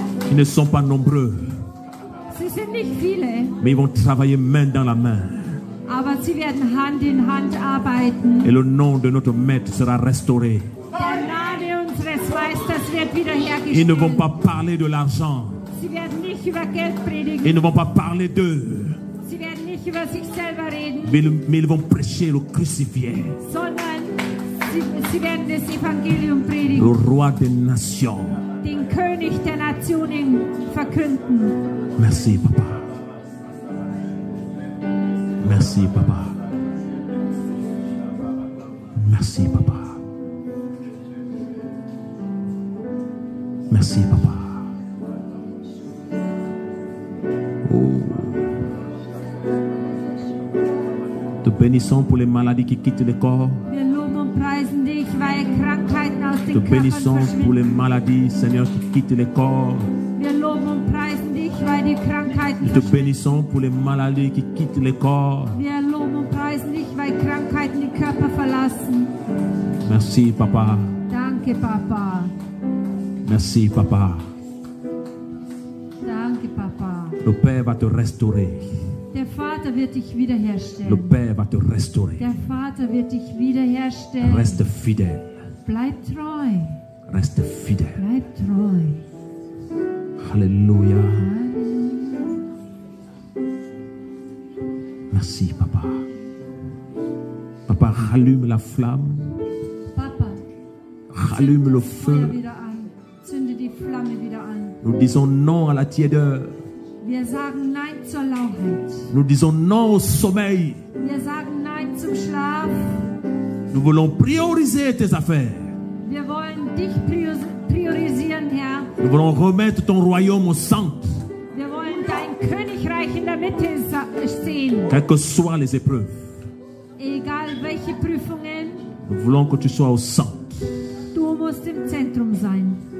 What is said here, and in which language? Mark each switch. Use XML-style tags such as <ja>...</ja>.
<fr>Ils ne sont pas nombreux.</fr> <de>Sie sind nicht viele.</de> <fr>Mais ils vont travailler main dans la main.</fr> <de>Aber sie werden Hand in Hand arbeiten.</de> <fr>Et le nom de notre maître sera restauré.</fr> <de>Der Name unseres Meisters wird wiederhergestellt.</de> <fr>Ils ne vont pas parler de l'argent.</fr> <de>Sie werden nicht über Geld predigen.</de> <fr>Ils ne vont pas parler d'eux.</fr> <de>Sie werden nicht über sich selber reden.</de> <fr>Mais ils vont prêcher le crucifié.</fr> <de>Sondern sie werden das Evangelium predigen.</de> <fr>Le roi des nations.</fr> <de>Den König der Nationen verkünden.</de> <fr>Merci, Papa. Merci, Papa. Merci, Papa. Merci, Papa. Oh. Te bénissons pour les maladies qui quittent le corps.</fr> <de>Wir loben und preisen dich, weil Krankheiten aus den Körpern verschwinden.</de> <fr>Pour les maladies, Seigneur, qui quittent les corps.</fr> <de>Wir loben und preisen dich, weil die Krankheiten verschwinden.</de> <fr>Bénissons pour les maladies qui quittent les corps.</fr> <de>Wir loben und preisen dich, weil Krankheiten die Körper verlassen.</de> <fr>Merci, Papa.</fr> <de>Danke, Papa.</de> <fr>Merci, Papa.</fr> <de>Danke, Papa.</de> <fr>Le Père va te restaurer.</fr> <de>Der Vater wird dich wiederherstellen.</de> <fr>Le Père va te restaurer.</fr> <de>Der Vater wird dich wiederherstellen.</de> <fr>Reste fidèle.</fr> <de>Bleib treu.</de> <fr>Reste fidèle.</fr> <de>Bleib treu. Halleluja.</de> <fr>Merci, Papa. Papa, rallume la flamme. Papa, rallume le feu.</fr> <de>Zünde die Flamme wieder an.</de> <fr>Nous disons non à la tiédeur.</fr> <de>Wir sagen nein zur Lauheit.</de> <fr>Nous disons non au sommeil.</fr> <de>Wir sagen nein zum Schlaf.</de> <fr>Nous voulons prioriser tes affaires.</fr> <de>Wir wollen dich priorisieren, Herr.</de> <fr>Nous voulons remettre ton royaume au centre.</fr> <de>Wir wollen dein Königreich in der Mitte sehen.</de> <fr>Quelles que soient les épreuves.</fr> <de>Egal welche Prüfungen.</de> <fr>Nous voulons que tu sois au centre.</fr> <de>Du musst im Zentrum sein.</de>